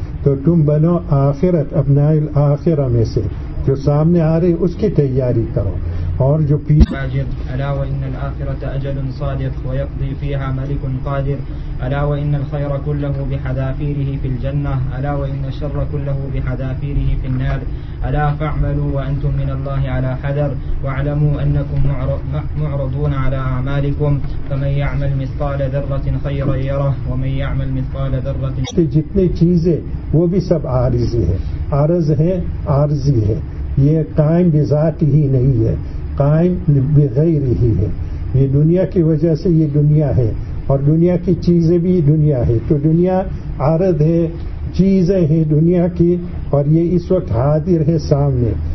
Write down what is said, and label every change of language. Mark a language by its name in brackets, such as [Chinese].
[Urdu] تو تم بنو آخرت [Arabic] ابناء الآخرہ [Urdu] میں سے, جو سامنے آ رہے اس کی تیاری کرو. اور جو پیچھے [Arabic] الا وان الاخره اجل صادق ويقضي فيها ملك قادر الا وان الخير كله بحذافيره في الجنه الا وان الشر كله بحذافيره في النار الا فاعملوا وانتم من الله على حذر واعلموا انكم معرضون على اعمالكم فمن يعمل مثقال ذره خيرا يره ومن يعمل مثقال ذره. [Urdu] جتنی چیزیں وہ بھی سب عارضی ہیں, عارض ہے, عارضی ہے. یہ قائم بذاتی ہی نہیں ہے, قائم بغیر ہی ہے. یہ دنیا کی وجہ سے یہ دنیا ہے, اور دنیا کی چیزیں بھی دنیا ہے. تو دنیا عارض ہے, چیزیں ہیں دنیا کی, اور یہ اس وقت حاضر ہے سامنے.